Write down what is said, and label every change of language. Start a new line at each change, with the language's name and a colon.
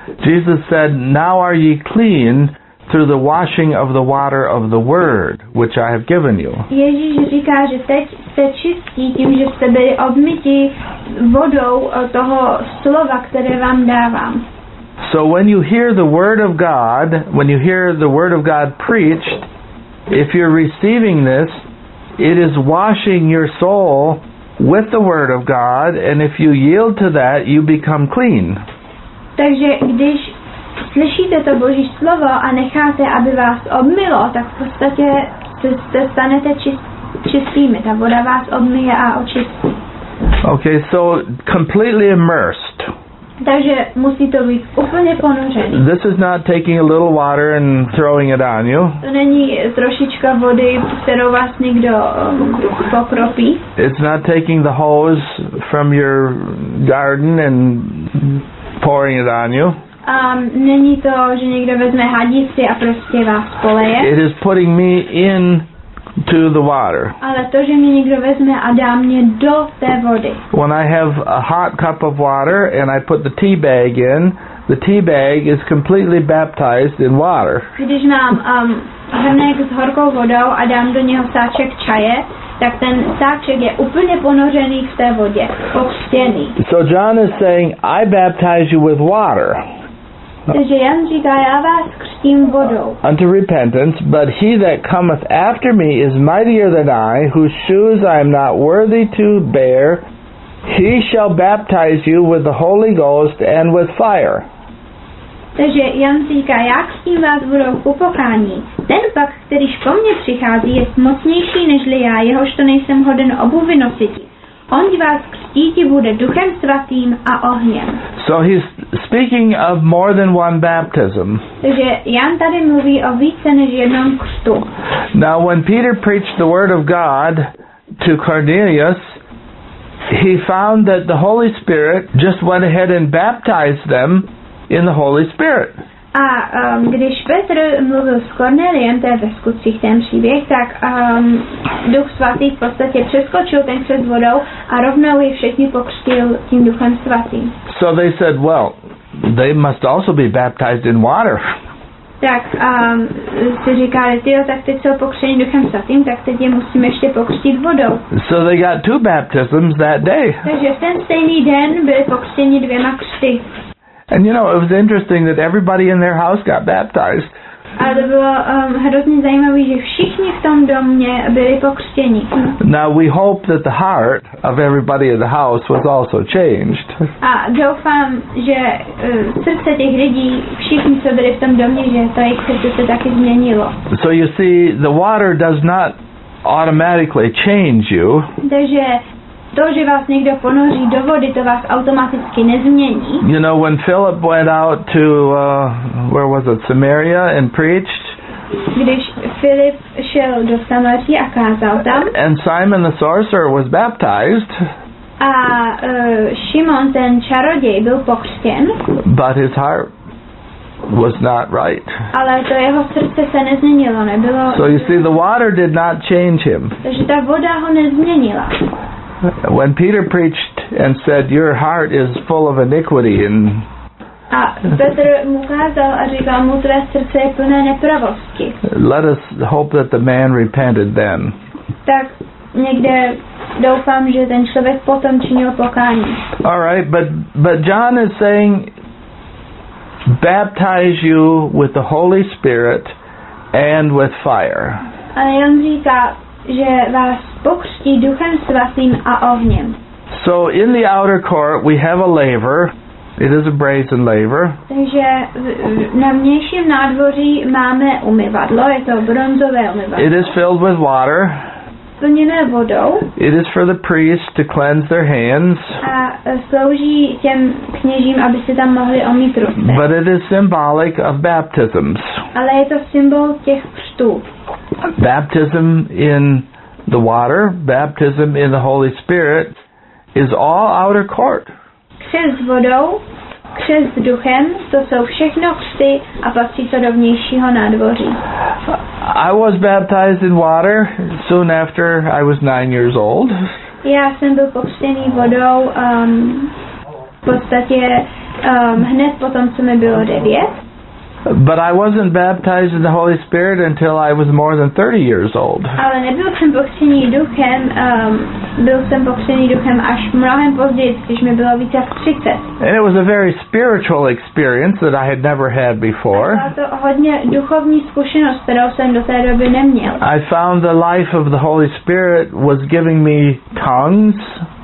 English: Jesus said, now are ye clean through the washing of the water of the Word, which I have given you.
Czech: Ježíš říká, že teď jste čistí tím, že jste byli obmytí vodou toho slova, které vám dávám.
English: So when you hear the Word of God, when you hear the Word of God preached, if you're receiving this, it is washing your soul with the Word of God, and if you yield to that, you become clean.
Czech: Takže když slyšíte to Boží slovo a necháte, aby vás obmylo, tak v podstatě se stanete čistými. Ta voda vás obmyje a očistí.
English: Okay, so completely immersed.
Czech: Takže musí to být úplně ponořený.
English: This is not taking a little water and throwing it on you.
Czech: To není trošička vody, kterou vás někdo pokropí.
English: It's not taking the hose from your garden and pouring it on you.
Czech: Není to, že někdo vezme hadici a prostě vás poleje.
English: It is putting me in to the water.
Czech: Ale to, že mě někdo vezme a dá mě do té vody.
English: When I have a hot cup of water and I put the tea bag in, the tea bag is completely baptized in water.
Czech: Když mám hrnek s horkou vodou a dám do něho sáček čaje, tak ten sáček je úplně ponořený v té vodě, pokřtěný.
English: So John is saying, I baptize you with water.
Czech: Takže Jan říká, já vás křtím vodou.
English: Unto repentance, but he that cometh after me is mightier than I, whose shoes I am not worthy to bear. He shall baptize you with the Holy Ghost and with fire.
Czech: Takže Jan říká, já křtím vás vodou k upokání. Ten pak, kterýž po mně přichází, je mocnější nežli já, jehož to nejsem hoden obuvi nosit. On vás křtíti bude Duchem Svatým a ohněm.
English: So he's speaking of more than one baptism.
Czech: Takže Jan tady mluví o více než jednom křtu.
English: Now when Peter preached the word of God to Cornelius, he found that the Holy Spirit just went ahead and baptized them in the Holy Spirit.
Czech: A když Petr mluvil s Korneliem, to je ve skutcích ten příběh, tak Duch Svatý v podstatě přeskočil ten křes vodou a rovnou je všichni pokřtil tím Duchem Svatým.
English: So they said, well, they must also be baptized in water.
Czech: Tak si říkali, tyjo, tak teď jsou pokřtěni Duchem Svatým, tak teď je musíme ještě pokřtit vodou.
English: So they got two baptisms that day.
Czech: Takže v ten stejný den byli pokřtěni dvěma křty.
English: And you know, it was interesting that everybody in their house got baptized.
Czech: A to bylo hrozně zajímavé, že všichni v tom domě byli pokřtěni.
English: Now we hope that the heart of everybody in the house was also changed.
Czech: A doufám, že srdce těch lidí, všichni, co byli v tom domě, že to jejich srdce se taky změnilo.
English: So you see, the water does not automatically change you.
Czech: Takže to, že vás někdo ponoří do vody, to vás automaticky nezmění.
English: You know, when Philip went out to, where was it, Samaria and preached.
Czech: Když Philip šel do Samaří a kázal tam.
English: And Simon the sorcerer was baptized.
Czech: A Šimon ten čaroděj byl pokřtěn.
English: But his heart was not right.
Czech: Ale to jeho srdce se nezměnilo, nebylo.
English: So you see, the water did not change him.
Czech: Takže ta voda ho nezměnila.
English: When Peter preached and said, your heart is full of iniquity and
Czech: a Petr mu kázal a říkal mu, tvé srdce je plné nepravosti.
English: Let us hope that the man repented then.
Czech: Tak někde doufám, že ten člověk potom činil pokání.
English: All right, but John is saying, baptize you with the Holy Spirit and with fire.
Czech: A Jan říká, že vás pokřtí Duchem Svatým a ohněm.
English: So in the outer court we have a laver. It is a brazen laver.
Czech: Takže na vnějším nádvoří máme umyvadlo, je to bronzové umyvadlo.
English: It is filled with water.
Czech: Plněné vodou.
English: It is for the priests to cleanse their hands.
Czech: A slouží těm kněžím, aby se tam mohli omýt ruce.
English: But it is symbolic of baptisms.
Czech: Ale je to symbol těch křtů.
English: Baptism in the water, baptism in the Holy Spirit is all outer court.
Czech: Křest vodou, křest duchem, to jsou všechno křty a patří to do vnějšího nádvoří.
English: I was baptized in water soon after I was 9 years old.
Czech: Já jsem byl pokřtěný vodou v podstatě hned potom, co mi bylo 9.
English: But I wasn't baptized in the Holy Spirit until I was more than 30 years old.
Czech: Ale nebyl jsem pokřtěný duchem, byl jsem pokřtěný duchem až mnohem později, když mi bylo více jak 30.
English: And it was a very spiritual experience that I had never had before.
Czech: Byla to hodně duchovní zkušenost, kterou jsem do té doby neměl.
English: I found the life of the Holy Spirit was giving me tongues.